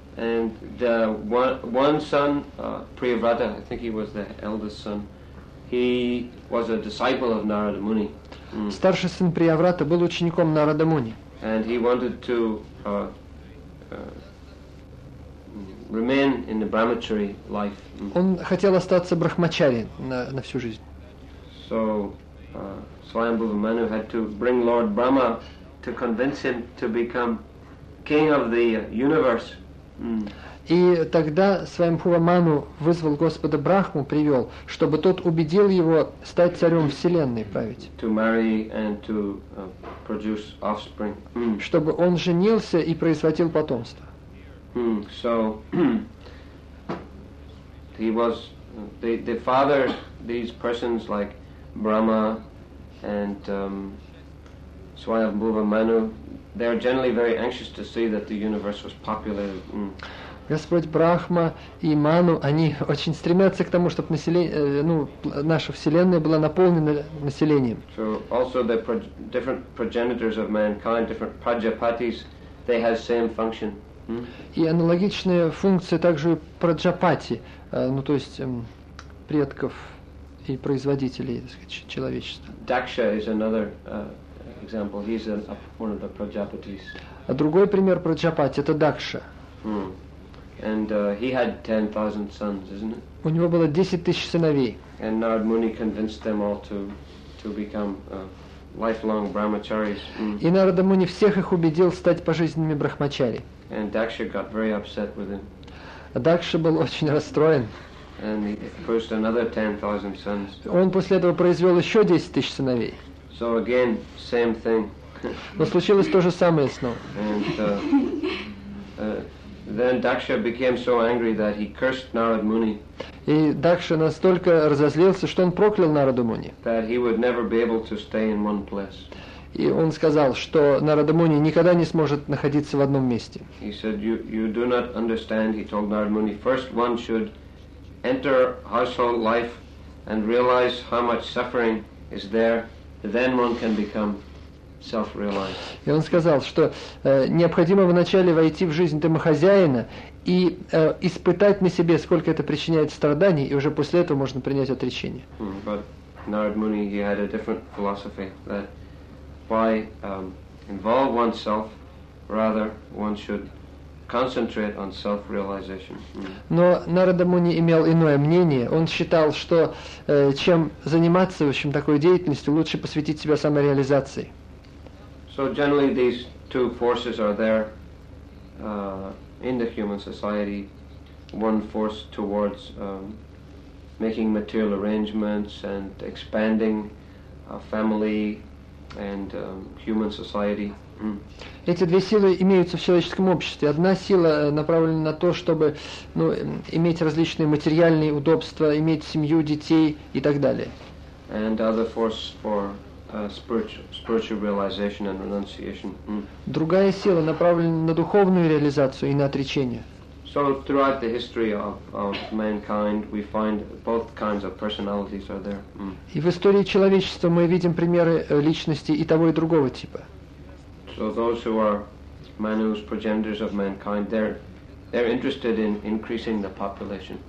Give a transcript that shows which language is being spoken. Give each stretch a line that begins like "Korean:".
English: And the one son, Priyavrata, I think he was the eldest son. He was a disciple of Narada Muni.
Russian: Старший сын Приаврата был учеником Нарада Муни.
English: And he wanted to remain in the brahmachari life.
Russian: Он хотел остаться брахмачари на всю жизнь.
English: So Svayambhuva Manu had to bring Lord Brahma to convince him to become king of the universe.
Russian: И тогда Свайамбхува Ману вызвал Господа Брахму, привел, чтобы тот убедил его стать царем Вселенной, править.
English: To marry and to produce offspring.
Russian: Чтобы он женился и производил потомство.
English: So he was the father, these persons like Brahma and Svayambhuva Manu, they are generally very anxious to see that the universe was populated.
Russian: Господь Брахма и Ману, они очень стремятся к тому, чтобы население, ну, наша Вселенная была наполнена населением.
English: So also the different progenitors of mankind, different prajapatis, they have same function. Hmm?
Russian: И аналогичная функция также и праджапати, ну то есть предков и производителей, так сказать, человечества.
English: Дакша is another example. He's one of the prajapatis.
Russian: А другой пример праджапати — это Дакша.
English: Hmm. And he had 10,000 sons, isn't it?
Russian: У него было 10,000 сыновей.
English: And Narad Muni convinced them all to become lifelong brahmacharis. Mm.
Russian: И Нарада Муни всех их убедил стать пожизненными брахмачари.
English: And Дакша got very upset with him.
Russian: Дакша был очень расстроен.
English: And he produced another 10,000 sons.
Russian: Он после этого произвел еще 10,000 сыновей.
English: So again, same thing.
Russian: Но случилось то же самое снова.
English: And, then Daksha became so angry that he cursed Narad Muni.
Russian: И Дакша настолько разозлился, что он проклял Нараду Муни.
English: That he would never be able to stay in one place.
Russian: И он сказал, что Нарада Муни никогда не сможет находиться в одном месте.
English: He said, you do not understand. He told Narad Muni, first one should enter household life and realize how much suffering is there. Then one can become.
Russian: И он сказал, что необходимо вначале войти в жизнь домохозяина и испытать на себе, сколько это причиняет страданий, и уже после этого можно принять отречение.
English: But Narad Muni, he had a different philosophy, that why involve oneself, rather one should concentrate on self-realization.
Russian: Но Нарада Муни имел иное мнение. Он считал, что чем заниматься, в общем, такой деятельностью, лучше посвятить себя самореализации.
English: So generally, these two forces are there in the human society. One force towards making material arrangements and expanding a family and human society. Mm.
Russian: Эти две силы имеются в человеческом обществе. Одна сила направлена на то, чтобы, ну, иметь различные материальные удобства, иметь семью, детей и так далее.
English: And other force for spiritual realization and renunciation. Mm.
Russian: Другая сила направлена на духовную реализацию и на отречение.
English: So throughout the history of mankind, we find both kinds of personalities are there. Mm.
Russian: И в истории человечества мы видим примеры личности и того, и другого типа.
English: So those who are Manu's progenitors of mankind, they're interested in increasing the population.